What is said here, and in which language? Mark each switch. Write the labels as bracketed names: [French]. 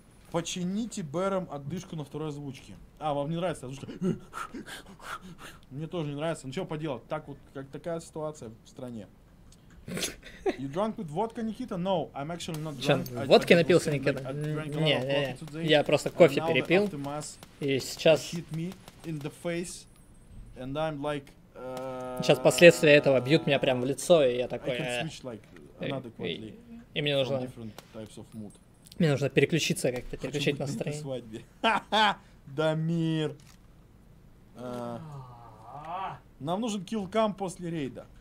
[Russian] Почините Бэром отдышку на второй озвучке. А, вам не нравится озвучка? Мне тоже не нравится. Ну, что поделать? Так вот, как такая ситуация в стране. [English] You drunk with vodka, Никита? No, I'm actually not drunk. [Russian] Чё, водки напился, Никита? Не, я просто кофе перепил. И сейчас... [English] Hit me in the face, and I'm like... [Russian] Сейчас последствия этого бьют меня прямо в лицо, и я такой... И мне нужно... Мне нужно переключиться как-то, переключить настроение. Дамир. Нам нужен киллкам после рейда.